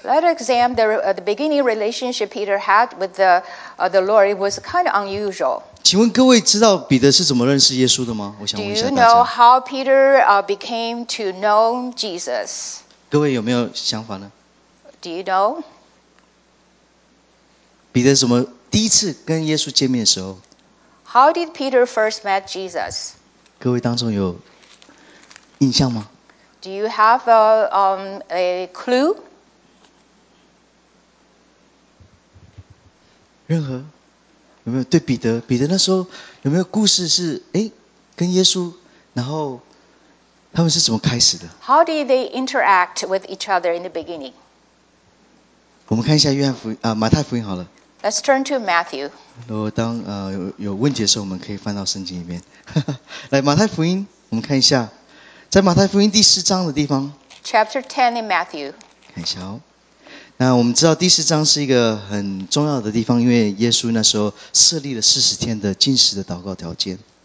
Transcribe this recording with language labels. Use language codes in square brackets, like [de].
[en] Let's examine the beginning relationship Peter had with the Lord. It was kind of unusual. [zh] 请问各位知道彼得是怎么认识耶稣的吗？我想问一下大家。 [en] Do you know how Peter became to know Jesus? [zh] 各位有没有想法呢？ [en] Do you know? [zh] 彼得怎么第一次跟耶稣见面的时候？ [en] How did Peter first met Jesus? [zh] 各位当中有印象吗？ [en] Do you have a clue? [zh] 任何有没有对彼得那时候有没有故事是跟耶稣，然后他们是怎么开始的？ [en] How did they interact with each other in the beginning? [zh] 我们看一下约翰福音马太福音好了。 [en] Let's turn to Matthew. [zh] 如果当有问题的时候，我们可以翻到圣经里面。来马太福音，我们看一下。在马太福音第四章的地方 [en] Chapter 10 in Matthew [zh] 看一下哦。那我们知道第四章是一个很重要的地方，因为耶稣那时候设立了40天的禁食的祷告条件。